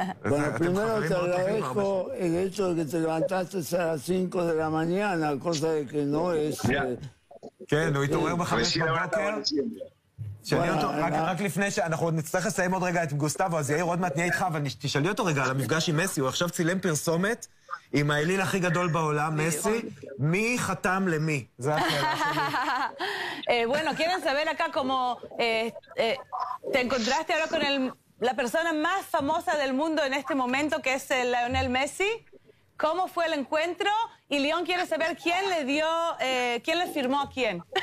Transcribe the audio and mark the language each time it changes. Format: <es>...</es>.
<es>Bueno, primero te agradezco el hecho de que te levantaste a las 5 de la mañana, cosa de que no es... ¿Qué? ¿No viste un huevo más a veces para ver?</es> <he>שאני אותו, רק לפני שאנחנו עוד נצטרך לסיים עוד רגע את גוסטבו, אז יאיר, עוד מעט נהיה איתך, אבל תשאלי אותו רגע על המפגש עם מסי, הוא עכשיו צילם פרסומת עם האליל הכי גדול בעולם, מסי, מי חתם למי? זה השאלה שלי.</he> <es>Bueno, quieren saber acá como te encontraste ahora con la persona más famosa del mundo en este momento, que es Lionel Messi. ¿Cómo fue el encuentro? Y León quiere saber quién le dio, quién le firmó a quién.</es>